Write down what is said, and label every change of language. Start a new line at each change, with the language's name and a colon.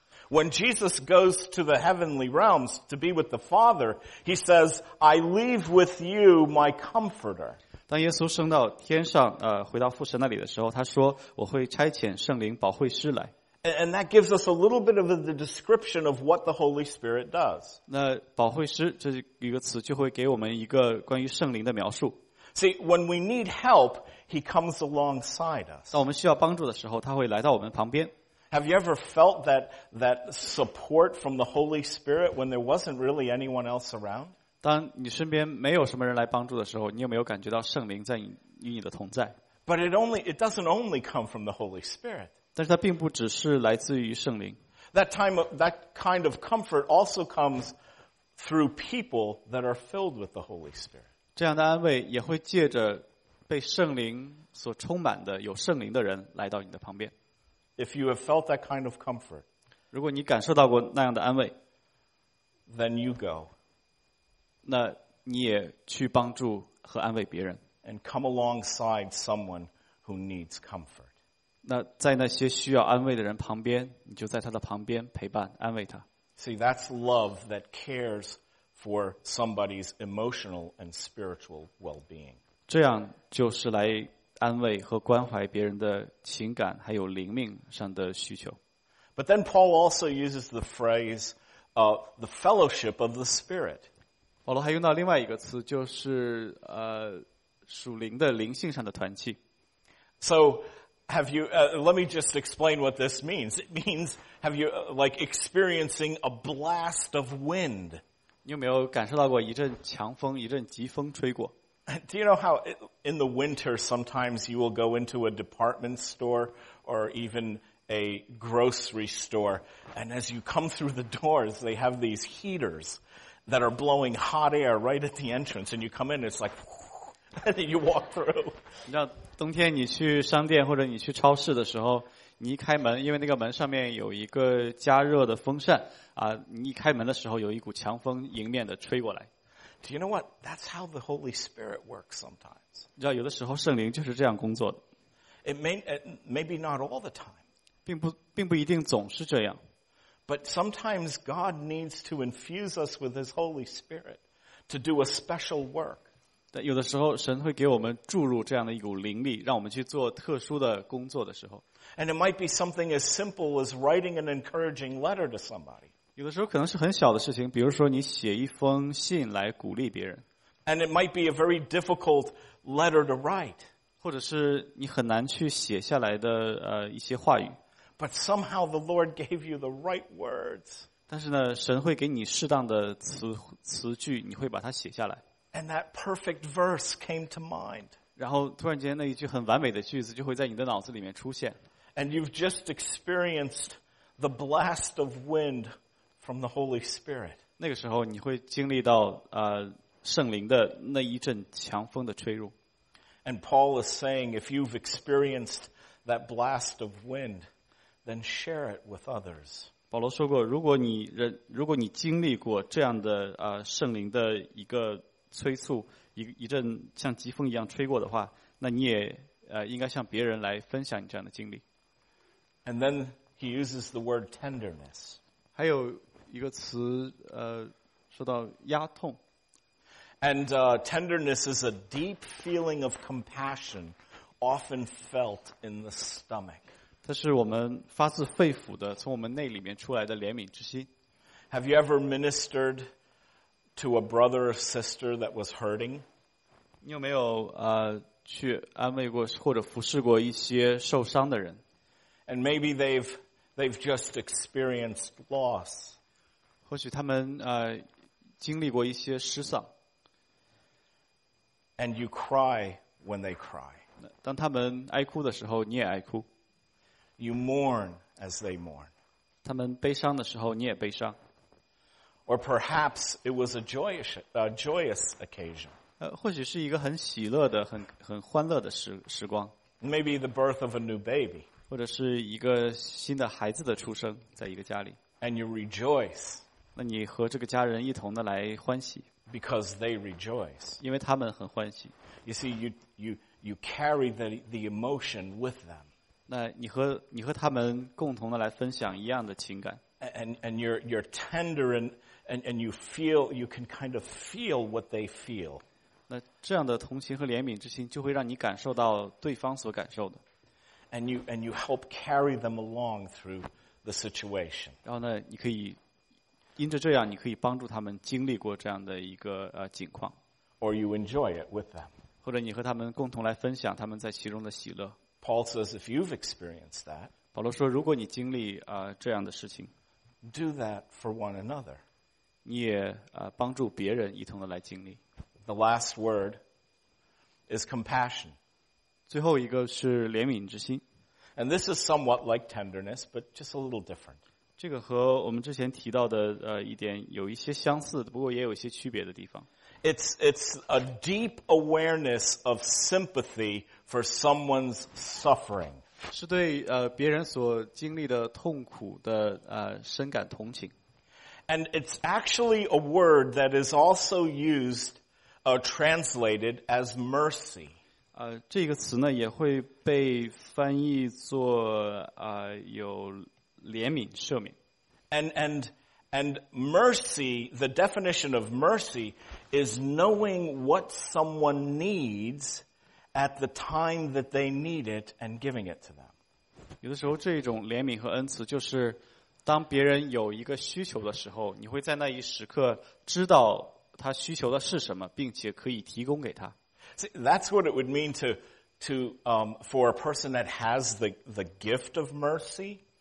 English: When Jesus goes to the heavenly realms to be with the Father, he says, I leave with you my comforter.
Chinese: 当耶稣升到天上回到父神那里的时候，他说我会差遣圣灵保惠师来。
English: And that gives us a little bit of the description of what the Holy Spirit does.
Chinese: 那保惠师这一个词就会给我们一个关于圣灵的描述。
English: See, when we need help, he comes alongside us.
Chinese: 当我们需要帮助的时候，他会来到我们旁边。
English: Have you ever felt that support from the Holy Spirit when there wasn't really anyone else around?
Chinese: 当你身边没有什么人来帮助的时候，你有没有感觉到圣灵在与你的同在？
English: But it doesn't only come from the Holy Spirit.
Chinese: 但是它并不只是来自于圣灵。
English: That kind of comfort also comes through people that are filled with the Holy Spirit.
Chinese: 这样的安慰也会借着被圣灵所充满的有圣灵的人来到你的旁边。
English: If you have felt that kind of comfort,
Chinese: 如果你感受到过那样的安慰
English: then you go.
Chinese: 那你也去帮助和安慰别人。
English: And come alongside someone who needs comfort.
Chinese: 那在那些需要安慰的人旁边，你就在他的旁边陪伴安慰他。
English: See, that's love that cares for somebody's emotional and spiritual well-being.
Chinese: 这样就是来安慰和关怀别人的情感还有灵命上的需求。
English: But then Paul also uses the phrase, the fellowship of the Spirit.
Chinese: 保罗还用到另外一个词，就是属灵的灵性上的团契。
English: So,Have you, let me just explain what this means. It means, have you, like, experiencing a blast of wind?
Chinese: 你有没有感受到过一阵强风，一阵疾风吹过？
English: Do you know how in the winter sometimes you will go into a department store or even a grocery store, and as you come through the doors, they have these heaters that are blowing hot air right at the entrance, and you come in, it's like... And you walk through.
Chinese: 你知道，冬天你去商店或者你去超市的时候，你一开门，因为那个门上面有一个加热的风扇啊，你一开门的时候，有一股强风迎面的吹过来。
English: Do you know what? That's how the Holy Spirit works sometimes.
Chinese: 你知道，有的时候圣灵就是这样工作的。
English: It maybe not all the time.
Chinese: 并不一定总是这样。
English: But sometimes God needs to infuse us with His Holy Spirit to do a special work.
Chinese: 但有的时候神会给我们注入这样的一股灵力，让我们去做特殊的工作的时候。
English: And it might be something as simple as writing an encouraging letter to somebody.
Chinese: 有的时候可能是很小的事情，比如说你写一封信来鼓励别人。
English: And it might be a very difficult letter to write.
Chinese: 或者是你很难去写下来的一些话语。
English: But somehow the Lord gave you the right words.
Chinese: 但是呢，神会给你适当的词句，你会把它写下来。
English: And that perfect verse came to mind.
Chinese: 然后突然间那一句很完美的句子就会在你的脑子里面出现。
English: And you've just experienced the blast of wind from the Holy Spirit.
Chinese: 那个时候你会经历到圣灵的那一阵强风的吹入。
English: And Paul is saying, if you've experienced that blast of wind, then share it with others.
Chinese: 保罗说过，如果你经历过这样的圣灵的一个催促，一阵像疾风一样吹过的话，那你也应该向别人来分享你这样的经历。
English: And then he uses the word tenderness.
Chinese: 还有一个词说到压痛。
English: And tenderness is a deep feeling of compassion, often felt in the stomach.
Chinese: 它是我们发自肺腑的，从我们内里面出来的怜悯之心。
English: Have you ever ministered to a brother or sister that was hurting?
Chinese: 你有没有去安慰过或者服侍过一些受伤的人？
English: And maybe they've just experienced loss.
Chinese: 或许他们经历过一些失丧。
English: And you cry when they cry.
Chinese: 当他们哀哭的时候，你也哀哭。
English: You mourn as they mourn.
Chinese: 他们悲伤的时候，你也悲伤。
English: Or perhaps it was a joyous occasion.
Chinese: 或许是一个很喜乐的、很欢乐的时光。
English: Maybe the birth of a new baby.
Chinese: 或者是一个新的孩子的出生，在一个家里。
English: And you rejoice.
Chinese: 那你和这个家人一同的来欢喜。
English: Because they rejoice.
Chinese: 因为他们很欢喜。
English: You see, you carry the emotion with them.
Chinese: 那你和他们共同的来分享一样的情感。
English: And you're tender and you feel, you can kind of feel what they feel.
Chinese: 那这样的同情和怜悯之心就会让你感受到对方所感受的。
English: And you help carry them along through the situation.
Chinese: 然后呢，你可以因着这样，你可以帮助他们经历过这样的一个境况。
English: Or you enjoy it with them.
Chinese: 或者你和他们共同来分享他们在其中的喜乐。
English: Paul says, if you've experienced that,
Chinese: 保罗说，如果你经历这样的事情，
English: do that for one another.
Chinese: 你也帮助别人一同的来经历。
English: The last word is compassion.
Chinese: 最后一个是怜悯之心。
English: And this is somewhat like tenderness, but just a little different.
Chinese: 这个和我们之前提到的一点有一些相似，不过也有一些区别的地方。
English: It's a deep awareness of sympathy for someone's suffering.
Chinese: 是对别人所经历的痛苦的深感同情。
English: And it's actually a word that is also used, translated as mercy.
Chinese: 这个词呢也会被翻译作有怜悯赦免。
English: And mercy, the definition of mercy is knowing what someone needs at the time that they need it and giving it to them.
Chinese: 有的时候这种怜悯和恩慈就是当别人有一个需求的时候，你会在那一时刻知道他需求的是什么，并且可以提供给他。
English: See, that's what it would mean for a person that has the gift of mercy.